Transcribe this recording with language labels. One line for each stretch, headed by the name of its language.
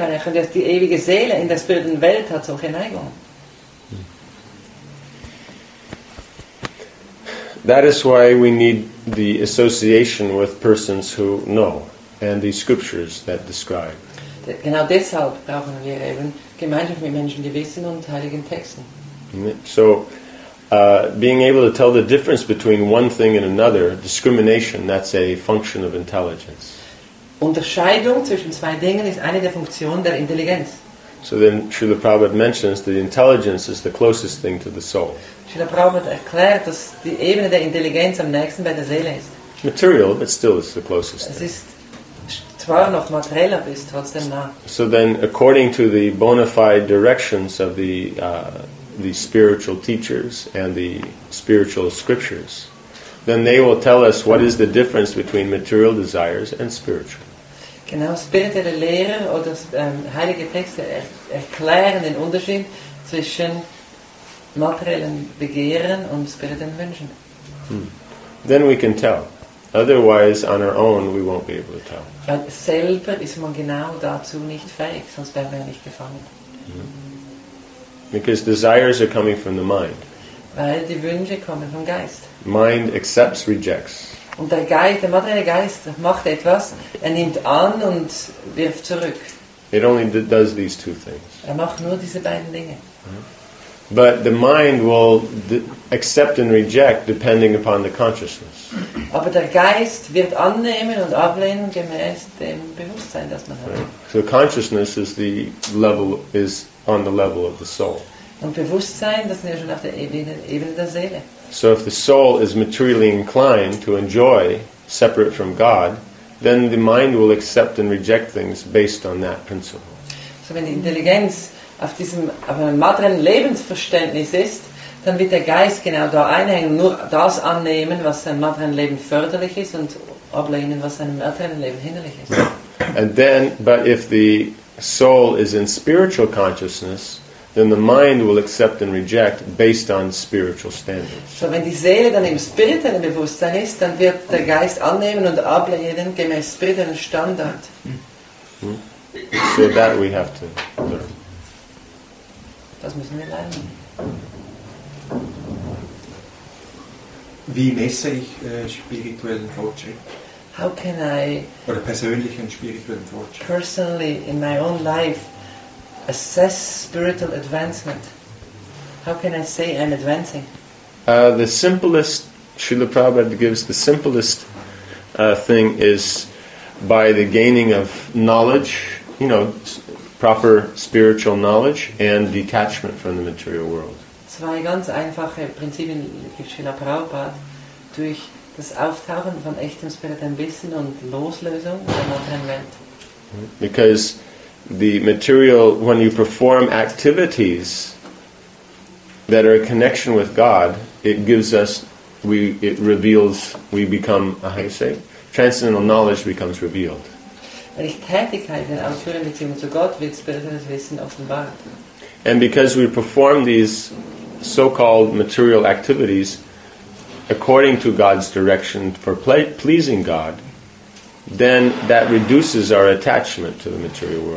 German: Weil er könnte ja die ewige Seele in der spirituellen Welt hat solche Neigungen.
English: That is why we need the association with persons who know and the scriptures that describe.
German: Genau deshalb brauchen wir eben Gemeinschaft mit Menschen, die wissen, und heiligen Texten.
English: So, being able to tell the difference between one thing and another, discrimination, that's a function of intelligence.
German: Unterscheidung zwischen zwei Dingen ist eine der Funktionen der Intelligenz.
English: So then Srila Prabhupada mentions that intelligence is the closest thing to the soul.
German: Srila Prabhupada erklärt, dass die Ebene der Intelligenz am nächsten bei der Seele ist.
English: Material, but still it's the closest thing.
German: Es ist zwar noch materieller, aber ist trotzdem nah.
English: So then, according to the bona fide directions of the spiritual teachers and the spiritual scriptures, then they will tell us what is the difference between material desires and spiritual.
German: Genau, spirituelle Lehre oder heilige Texte erklären den Unterschied zwischen materiellen Begehren und spirituellen Wünschen.
English: Then we can tell. Otherwise, on our own, we won't be able to tell.
German: Weil selber ist man genau dazu nicht fähig, sonst wären wir nicht gefangen.
English: Because desires are coming from the mind.
German: Weil die Wünsche kommen vom Geist.
English: Mind accepts, rejects.
German: Und der Geist, der materielle Geist, macht etwas, er nimmt an und wirft zurück.
English: It only does these two things.
German: Er macht nur diese beiden Dinge.
English: But the mind will accept and reject depending upon the consciousness.
German: Aber der Geist wird annehmen und ablehnen gemäß dem Bewusstsein, das man hat.
English: So consciousness is the level, is on the level of the soul.
German: Und Bewusstsein, das ist ja schon auf der Ebene der Seele.
English: So if the soul is materially inclined to enjoy separate from God, then the mind will accept and reject things based on that principle.
German: So wenn die Intelligenz auf einem materiellen Lebensverständnis ist, dann wird der Geist genau da einhängen, nur das annehmen, was seinem materiellen Leben förderlich ist, und ablehnen, was seinem materiellen Leben hinderlich ist.
English: And then, but if the soul is in spiritual consciousness, then the mind will accept and reject based on spiritual standards.
German: So wenn die Seele dann im spirituellen Bewusstsein ist, dann wird der Geist annehmen und ablehnen gemäß spirituellen Standard.
English: So that we have to learn.
German: Das müssen wir lernen. Wie messe ich spirituellen Fortschritt?
English: How can I
German: oder persönlichen spirituellen Fortschritt?
English: Personally, in my own life, assess spiritual advancement. How can I say I'm advancing? The simplest, Srila Prabhupada gives the simplest thing is by the gaining of knowledge, you know, proper spiritual knowledge and detachment from the material world.
German: Zwei ganz einfache Prinzipien gibt Srila Prabhupada: durch das Auftauchen von echtem spirituellen Wissen und Loslösung der materiellen Welt.
English: Because the material, when you perform activities that are a connection with God, it gives us, we become, how you say, transcendental knowledge becomes revealed.
German: Wenn ich Tätigkeit in ausführender Beziehung zu Gott, wird spirituelles Wissen offenbart.
English: And because we perform these so-called material activities according to God's direction for pleasing God, then that reduces our attachment to the material world.